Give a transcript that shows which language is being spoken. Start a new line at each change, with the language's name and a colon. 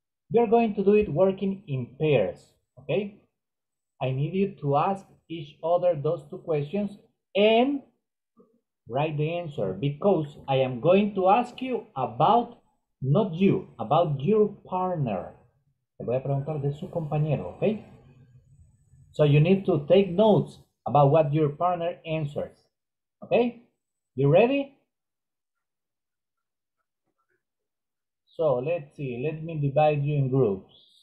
English: You're going to do it working in pairs, okay? I need you to ask each other those two questions and write the answer, because I am going to ask you about, not you, about your partner.
Spanish: Te voy a preguntar de su compañero, okay?
English: So you need to take notes about what your partner answers, okay? You ready? So let's see, let me divide you in groups.